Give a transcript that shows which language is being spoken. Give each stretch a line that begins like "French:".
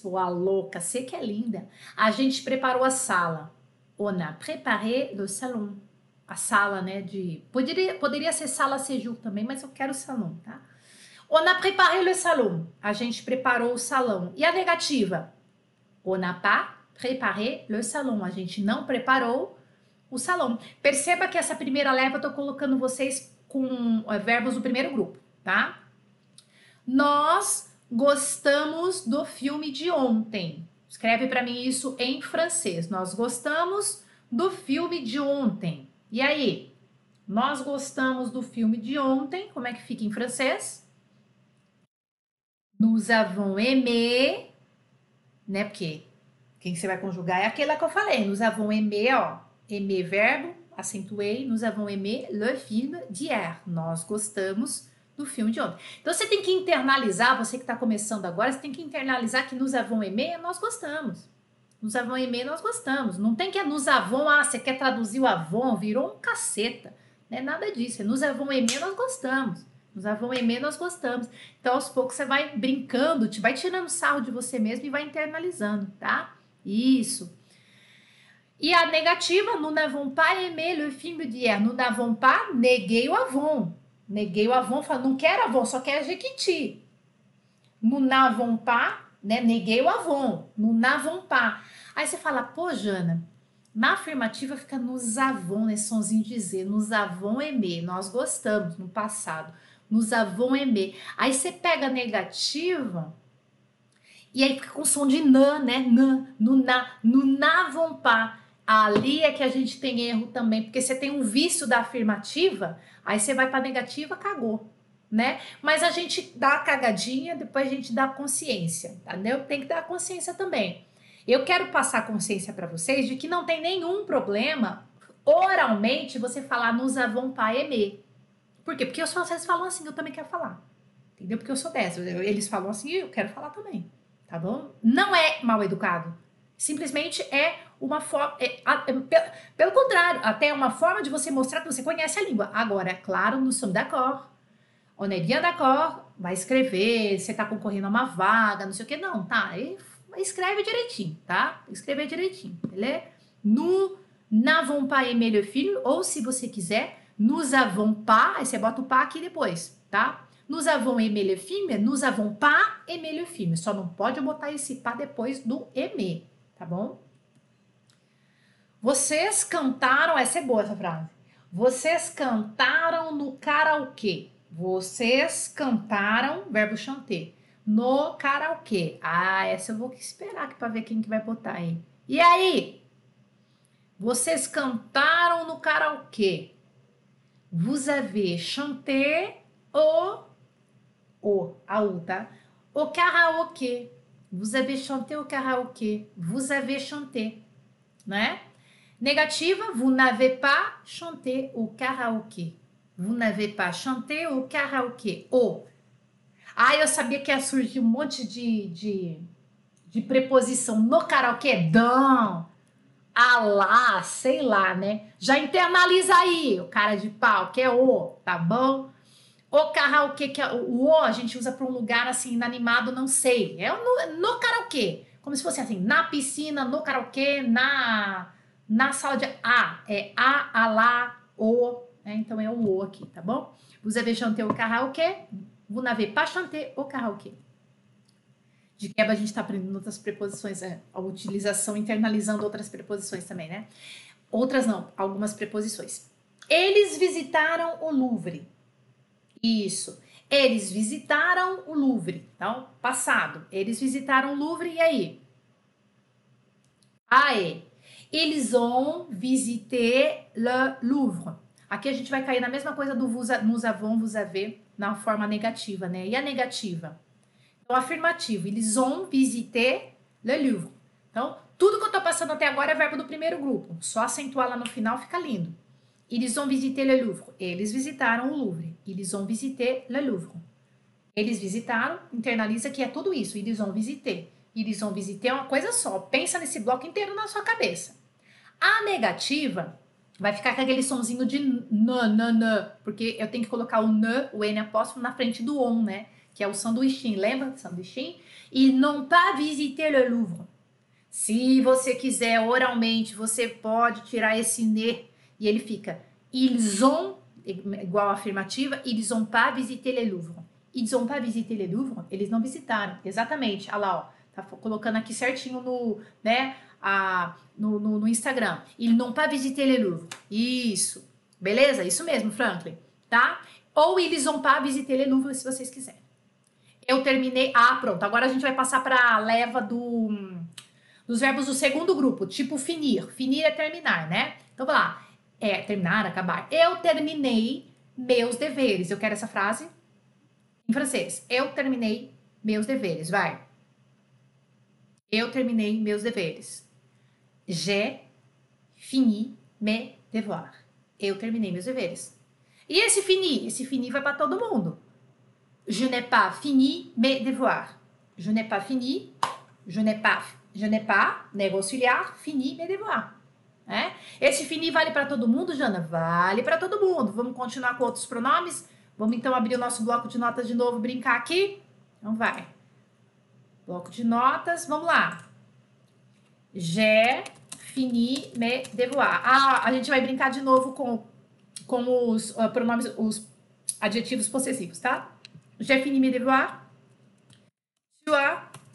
Portuguese: Sua louca, você que é linda. A gente preparou a sala.
French: On a préparé le salon.
Portuguese: a sala, né, de... Poderia ser sala séjour também, mas eu quero salão, tá?
French: On a préparé le salon.
Portuguese: A gente preparou o salão. E a negativa?
French: On a pas préparé le salon.
Portuguese: A gente não preparou o salão. Perceba que essa primeira leva eu tô colocando vocês com verbos do primeiro grupo, tá? Nós gostamos do filme de ontem. Escreve para mim isso em francês. Nós gostamos do filme de ontem. E aí? Nós gostamos do filme de ontem. Como é que fica em francês?
French: Nous avons aimé,
Portuguese: né? Porque quem você vai conjugar é aquela que eu falei.
French: Nous avons aimé, ó. Aimé,
Portuguese: verbo, acentuei.
French: Nous avons aimé le film d'hier.
Portuguese: Nós gostamos do filme de ontem. Então, você tem que internalizar, você que está começando agora, você tem que internalizar que
French: nous avons aimé,
Portuguese: nós gostamos.
French: Nous avons aimé,
Portuguese: nós gostamos. Não tem que é
French: nous avons,
Portuguese: ah, você quer traduzir o avon, virou um caceta. Não é nada disso. É
French: nous avons aimé,
Portuguese: nós gostamos.
French: Nous avons aimé,
Portuguese: nós gostamos. Então, aos poucos, você vai brincando, vai tirando sarro de você mesmo e vai internalizando, tá? Isso. E a negativa,
French: nous n'avons pas aimé le film d'hier. Nous n'avons pas,
Portuguese: neguei o avon. Neguei o avon, falo, não quero avon, só quero jequiti.
French: Nous n'avons pas,
Portuguese: né? Neguei o avon.
French: Nous n'avons pas.
Portuguese: Aí você fala, pô, Jana, na afirmativa fica
French: nous avons,
Portuguese: nesse sonzinho de Z.
French: Nous avons aimé.
Portuguese: Nós gostamos no passado.
French: Nous avons aimé.
Portuguese: Aí você pega a negativa e aí fica com som de na, né?
French: Na, nous na, nous n'avons pas.
Portuguese: Ali é que a gente tem erro também, porque você tem um vício da afirmativa, aí você vai para a negativa, cagou, né? Mas a gente dá a cagadinha, depois a gente dá a consciência, entendeu? Tem que dar a consciência também. Eu quero passar a consciência para vocês de que não tem nenhum problema oralmente você falar
French: nous avons pas aimé.
Portuguese: Por quê? Porque vocês falam assim, eu também quero falar, entendeu? Porque eu sou dessa, eles falam assim, eu quero falar também, tá bom? Não é mal educado. Simplesmente é uma forma, pelo contrário, até é uma forma de você mostrar que você conhece a língua. Agora, claro,
French: nous sommes d'accord. On est bien d'accord,
Portuguese: vai escrever, você tá concorrendo a uma vaga, não sei o que, não, tá? E escreve direitinho, tá? Escreve direitinho, beleza?
French: Nous n'avons pas aimé le film,
Portuguese: ou se você quiser,
French: nous avons pas,
Portuguese: aí você bota o pas aqui depois, tá?
French: Nous avons aimé le film, nous avons pas aimé le film.
Portuguese: Só não pode botar esse pas depois do aimé, tá bom? Vocês cantaram, essa é boa essa frase. Vocês cantaram no karaokê. Vocês cantaram, verbo chanter, no karaokê. Ah, essa eu vou esperar aqui para ver quem que vai botar aí. E aí? Vocês cantaram no karaokê.
French: Vous avez chanté au, tá?
Portuguese: O karaokê.
French: Vous avez chanté au karaokê. Vous avez chanté. Né? Negativa, vous n'avez pas chanté au karaoké. Vous n'avez pas chanté au karaoké.
Portuguese: Ou. Ah, eu sabia que ia surgir um monte de preposição no karaokê. Dão. Alá, sei lá, né? Já internaliza aí, o cara de pau, que é o, tá bom? O karaokê, que é o a gente usa para um lugar assim, inanimado, não sei. É no karaokê. Como se fosse assim, na piscina, no karaokê, na... Na sala de A, é A, lá, O, né? Então é o O aqui, tá bom?
French: Vous avez chanté au karaoké? Vous n'avez pas chanté au karaoké?
Portuguese: De quebra, a gente tá aprendendo outras preposições, né? A utilização, internalizando outras preposições também, né? Outras não, algumas preposições. Eles visitaram o Louvre. Isso. Eles visitaram o Louvre. Então, passado. Eles visitaram o Louvre, e aí? Aê!
French: Ils ont visité le Louvre.
Portuguese: Aqui a gente vai cair na mesma coisa do nous avons, vous avez, na forma negativa, né? E a negativa? Então, afirmativo. Ils ont visité le Louvre. Então, tudo que eu tô passando até agora é verbo do primeiro grupo. Só acentuar lá no final fica lindo.
French: Ils ont visité le Louvre.
Portuguese: Eles visitaram o Louvre.
French: Ils ont visité le Louvre.
Portuguese: Eles visitaram, internaliza que é tudo isso.
French: Ils ont visité.
Portuguese: Eles vão visitar uma coisa só. Pensa nesse bloco inteiro na sua cabeça. A negativa vai ficar com aquele sonzinho de n, n, n. Porque eu tenho que colocar o n, o n apóstrofo, na frente do on, né? Que é o sanduichinho, lembra? Sanduichinho. E
French: non pas visiter le Louvre.
Portuguese: Se você quiser, oralmente, você pode tirar esse n. E ele fica,
French: Ils ont,
Portuguese: igual afirmativa,
French: ils ont pas visité le Louvre. Ils ont pas visité le Louvre,
Portuguese: eles não visitaram. Exatamente, olha lá, ó. Tá colocando aqui certinho no, né, no Instagram.
French: Ils n'ont pas visité le Louvre.
Portuguese: Isso, beleza? Isso mesmo, Franklin, tá? Ou
French: ils ont pas visité le Louvre,
Portuguese: se vocês quiserem. Eu terminei. Ah, pronto. Agora a gente vai passar para a leva dos verbos do segundo grupo, tipo finir. Finir é terminar, né? Então, vamos lá. É terminar, acabar. Eu terminei meus deveres. Eu quero essa frase em francês. Eu terminei meus deveres. Vai. Eu terminei meus deveres.
French: J'ai fini mes devoirs.
Portuguese: Eu terminei meus deveres. E esse fini? Esse fini vai para todo mundo.
French: Je n'ai pas fini mes devoirs. Je n'ai pas fini. Je n'ai pas,
Portuguese: nego auxiliar,
French: fini mes devoirs.
Portuguese: É? Esse fini vale para todo mundo, Jana? Vale para todo mundo. Vamos continuar com outros pronomes? Vamos então abrir o nosso bloco de notas de novo, brincar aqui? Então vai. Bloco de notas, vamos lá.
French: J'ai fini mes devoirs.
Portuguese: Ah, a gente vai brincar de novo com os pronomes, os adjetivos possessivos, tá?
French: J'ai fini mes devoirs. Tu as.